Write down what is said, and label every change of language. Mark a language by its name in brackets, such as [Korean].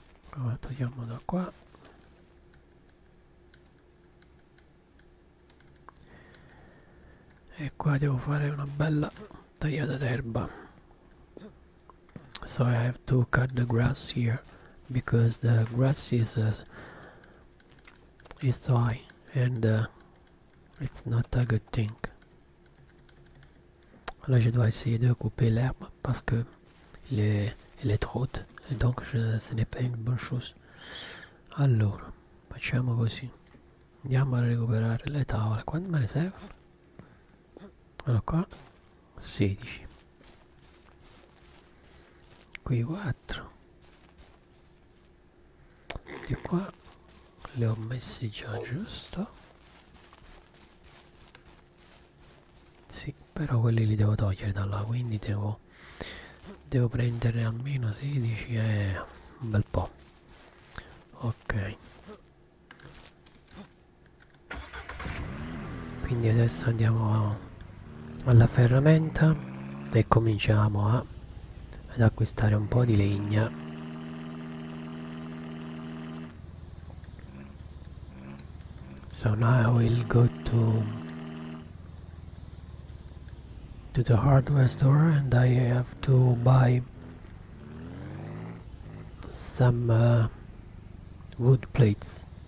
[Italian] Qua togliamo da qua. E qua devo fare una bella tagliata d'erba. [English] So I have to cut the grass here, because the grass is high, and it's not a good thing. [French] Là je dois essayer de couper l'herbe parce que elle est trop haute, et donc ce n'est pas une bonne chose. [Italian] Allora, facciamo così. Andiamo a recuperare le tavole. Quante me ne servono? Allora qua 16. Qui 4. Di qua le ho messe già giusto. Sì, però quelli li devo togliere da là, quindi devo prendere almeno 16 e un bel po'. Ok. Quindi adesso andiamo alla ferramenta e cominciamo ad acquistare un po' di legna. [English] So now I will go to the hardware store, and I have to buy some wood plates.